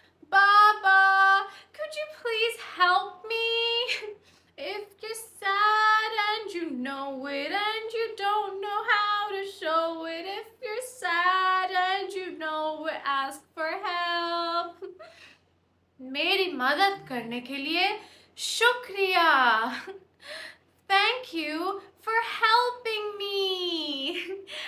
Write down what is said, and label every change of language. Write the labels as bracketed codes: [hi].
[en] Baba, could you please help me? If you're sad and you know it and you don't know how to show it, if you're sad and you know it, ask for help. [ur] میری مدد کرنے کے لیے شکریہ. [en] Thank you for helping me.